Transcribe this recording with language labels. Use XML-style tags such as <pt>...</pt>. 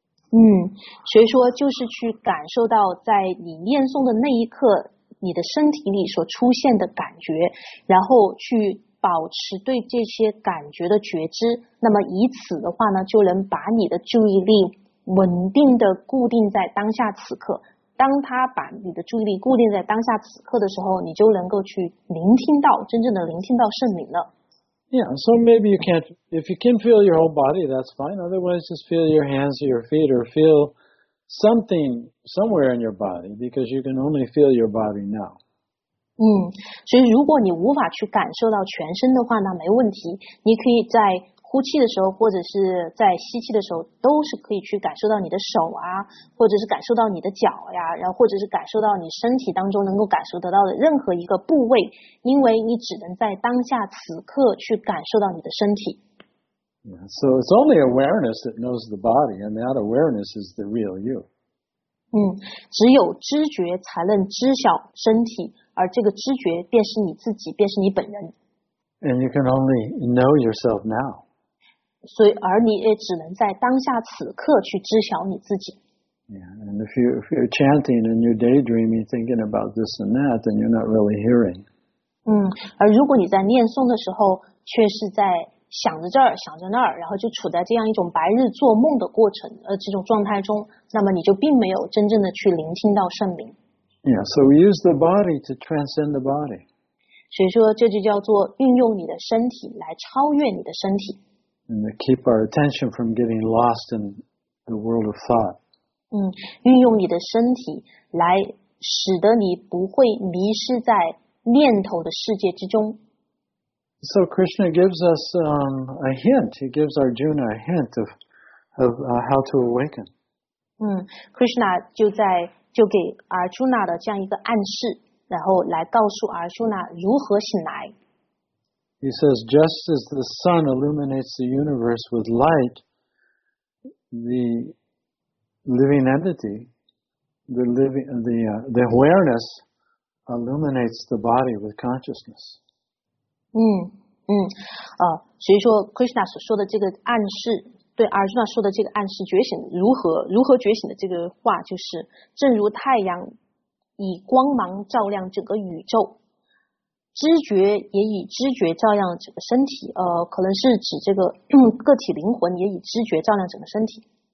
<zh>所以说就是去感受到在你念诵的那一刻，你的身体里所出现的感觉，然后去保持对这些感觉的觉知，那么以此的话呢，就能把你的注意力稳定的固定在当下此刻。当他把你的注意力固定在当下此刻的时候，你就能够去聆听到真正的聆听到圣灵了。</zh> <en>Yeah, so maybe you can't. If you can feel your whole body, that's fine. Otherwise, just feel your hands or your feet or feel something somewhere in your body, because you can only feel your body now.</en> <zh>所以如果你无法去感受到全身的话，那没问题，你可以在呼气的时候或者是在吸气的时候都是可以去感受到你的手啊，或者是感受到你的脚呀，然后或者是感受到你身体当中能够感受得到的任何一个部位，因为你只能在当下此刻去感受到你的身体。</zh> <en>Yeah, so it's only awareness that knows the body, and that awareness is the real you.</en> <zh>只有知觉才能知晓身体，而这个知觉便是你自己，便是你本人。</zh> <en>And you can only know yourself now.</en> <zh>所以，而你也只能在当下此刻去知晓你自己。</zh> <en>Yeah, and if you're chanting and you're daydreaming, thinking about this and that, then you're not really hearing.</en> <zh>而如果你在念诵的时候，却是在想着这儿，想着那儿，然后就处在这样一种白日做梦的过程，这种状态中，那么你就并没有真正的去聆听到圣灵。</zh> <en>Yeah, so we use the body to transcend the body.</en> <zh>所以说这就叫做运用你的身体来超越你的身体。</zh> <en>And to keep our attention from getting lost in the world of thought.</en> <zh>运用你的身体来使得你不会迷失在念头的世界之中。</zh> <en>So Krishna gives us a hint. He gives Arjuna a hint of how to awaken.</en> <zh>Krishna 就给阿朱娜的这样一个暗示，然后来告诉阿朱娜如何醒来。</zh> <en>He says, just as the sun illuminates the universe with light, the living entity, the awareness illuminates the body with consciousness.</en> <zh>所以说 Krishna 所说的这个暗示。对阿尔顿说的这个暗示，觉醒如何觉醒的这个话，就是正如太阳以光芒照亮整个宇宙，知觉也以知觉照亮整个身体。可能是指这个个体灵魂也以知觉照亮整个身体。</zh>